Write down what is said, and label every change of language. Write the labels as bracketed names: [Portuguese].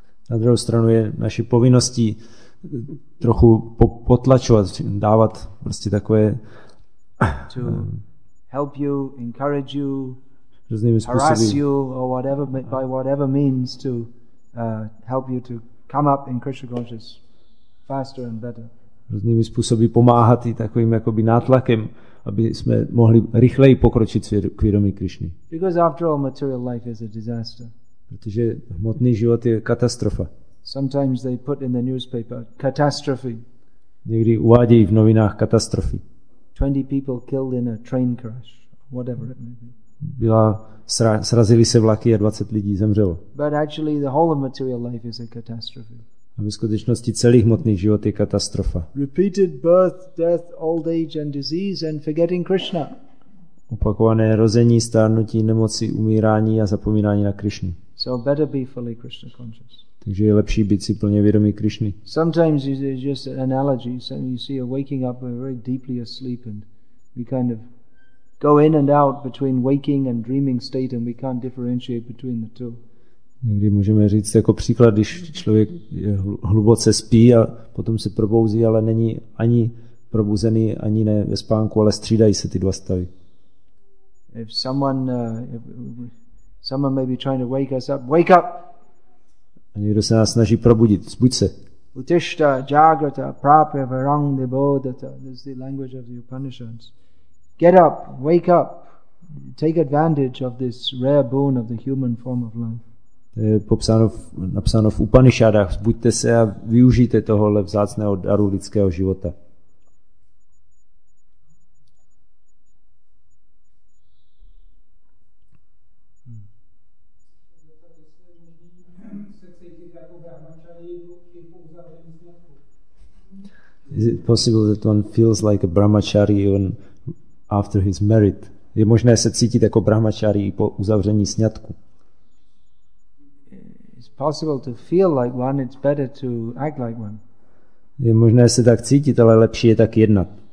[Czech] Na druhou stranu je naší povinností trochu potlačovat, dávat prostě takové [English] to help you, encourage you, [Czech] různými způsoby, [English] harass you or whatever, by whatever means to help you to come up in Krishna consciousness faster and better. [Czech] Různými způsoby pomáhat i takovým jakoby nátlakem, aby jsme mohli rychleji pokročit k vědomí Krišny. [English] Because after all, material life is a disaster. [Czech] Protože hmotný život je katastrofa. [English] Sometimes they put in the newspaper catastrophe. [Czech] Někdy uvádějí v novinách katastrofy. [English] 20 people killed in a train crash, whatever it may be. [Czech] Srazili se vlaky a 20 lidí zemřelo. [English] But actually the whole of material life is a catastrophe. [Czech] A ve skutečnosti celý hmotný život je katastrofa. [English] Repeated birth, death, old age and disease and forgetting Krishna. [Czech] Opakované rození, stárnutí, nemoci, umírání a zapomínání na Krišnu. [English] So better be fully Krishna conscious. [Czech] Takže je lepší být si plně vědomý Krišny. [English] Sometimes it's just an analogy. So you see a waking up, we're very deeply asleep and we kind of go in and out between waking and dreaming state and we can't differentiate between the two. [Czech] Někdy můžeme říct jako příklad, když člověk je hluboce spí a potom se probouzí, ale není ani probuzený, ani ne ve spánku, ale střídají se ty dva stavy. [English] If someone may be trying to wake us up, wake up! [Czech] A někdo se nás snaží probudit. Zbuď se. [Sanskrit] Utishta, jagrata, prapya, varang, nibodhata. [English] This is the language of the Upanishads. Get up, wake up. Take advantage of this rare boon of the human form of life. [Czech] To je napsáno v Upanishadách. Zbuďte se a využijte tohohle vzácného daru lidského života. [English] Is it possible that one feels like a brahmachari even after his merit? [Czech] Je možné se cítit jako brahmachari po uzavření sňatku? [English] It's possible to feel like one, it's better to act like one. [Czech] Je možné se tak cítit, ale lepší je tak jednat.